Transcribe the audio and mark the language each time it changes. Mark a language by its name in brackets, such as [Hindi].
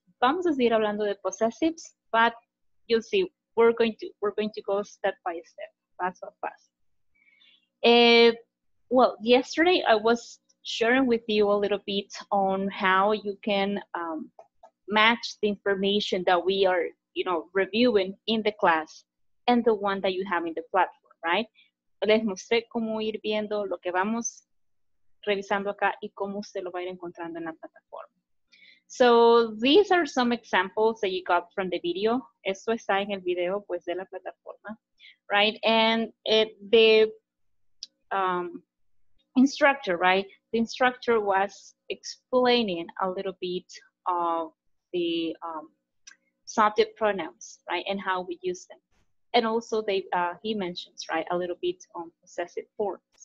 [Spanish] Vamos a seguir hablando de [English] possessives, but you'll see, we're going to go step by step, [Spanish] paso a paso. [English] Well, yesterday I was sharing with you a little bit on how you can match the information that we are, you know, reviewing in the class and the one that you have in the platform, right? [Spanish] Les mostré cómo ir viendo lo que vamos revisando acá y cómo usted lo va a ir encontrando en la plataforma. [English] So, these are some examples that you got from the video. [Spanish] Esto está en el video, pues, de la plataforma, right? [English] And the instructor, right? The instructor was explaining a little bit of the subject pronouns, right? And how we use them. And also they, he mentions, right, a little bit on possessive forms.